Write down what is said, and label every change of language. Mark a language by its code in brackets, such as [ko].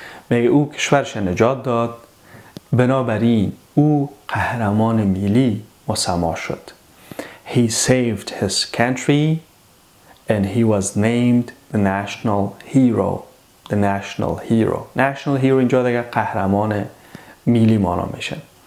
[fa] میگه او کشورش نجات داد، بنابراین او قهرمان ملی مسما شد. [en] He saved his country and he was named the national hero. The national hero. National hero [fa] اینجا دیگه قهرمان ملی معنا میشه.